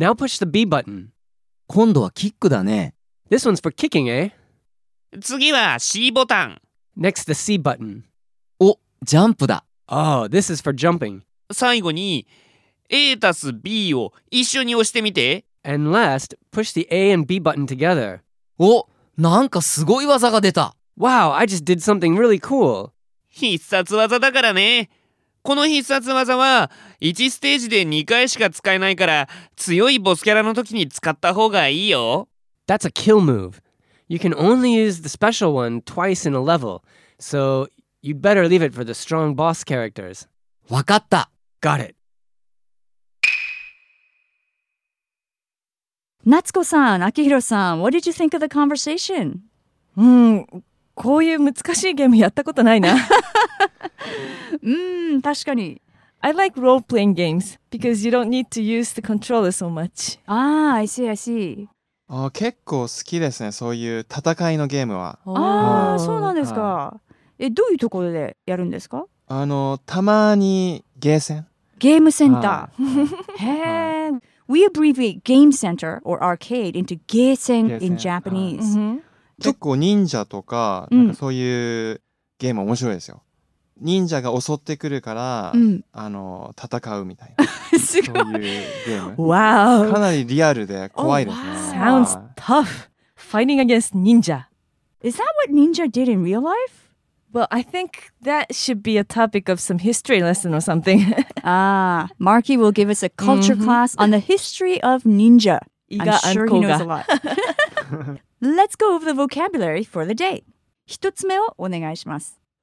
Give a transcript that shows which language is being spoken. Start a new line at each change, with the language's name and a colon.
English: Now push the B button.
Japanese: 今度はキックだね。
English: This one's for kicking, eh?
Japanese: 次は C ボタン。
English: Next, the C button.
Japanese: お、ジャンプだ。
English: Oh, this is for jumping.
Japanese: 最後に、A たす B を一緒に押してみて。
English: And last, push the A and B button together.
Japanese: お、なんかすごい技が出た。
English: Wow, I just did something really cool.
Japanese: 必殺技だからね。この必殺技は1ステージで2回しか使えないから、強いボスキャラの時に使った方がいいよ。
English: That's a kill move. You can only use the special one twice in a level, so you'd better leave it for the strong boss characters.
Japanese: わかった。
English: Got it. Natsuko-san, Akihiro-san, what did you think of the conversation?
Japanese: こういう難しいゲームやったことないな。確かに。
English: I like role-playing games because you don't need to use the controller so much. Ah, I see, I see.
Japanese: 結構好きですね、そういう戦いのゲームは。ああ、そうなんですか。どういうところでやるんですか？たまにゲーセン。ゲームセンター。へえ。
English: We abbreviate game center or arcade into ゲーセン in Japanese. Mm-hmm.
Japanese: 結構忍者とか、なんかそういうゲーム面白いですよ。忍者が襲ってくるから、戦うみたいな。すごい。そういうゲーム。
English: Wow.
Japanese: かなりリアルで怖いですね。
English: Sounds tough. Fighting against ninja. Is that what ninja did in real life? Well, I think that should be a topic of some history lesson or something. Ah, Marky will give us a culture class on the history of ninja. I'm sure he knows a lot. Let's go over the vocabulary for the day.
Japanese: 一つ目をお願いします。